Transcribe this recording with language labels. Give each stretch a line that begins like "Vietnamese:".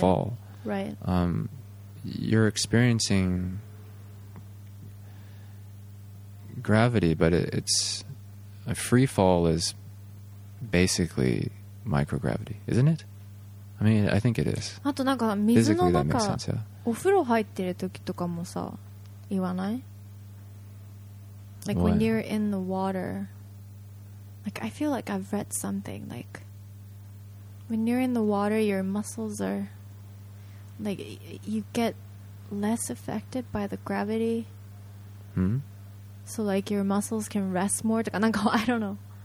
English: fall. Right. You're experiencing gravity, but it's a free fall is basically microgravity, isn't it? I mean, I think it is.
Japanese: あとなんか水の中、
English: physically, that makes sense, yeah.
Japanese: お風呂入ってる時とかもさ、言わない?
English: Like what? When you're in the water, like I feel like I've read something like. When you're in the water, your muscles are like you get less affected by the gravity. Hmm. So like your muscles can rest more. I don't know.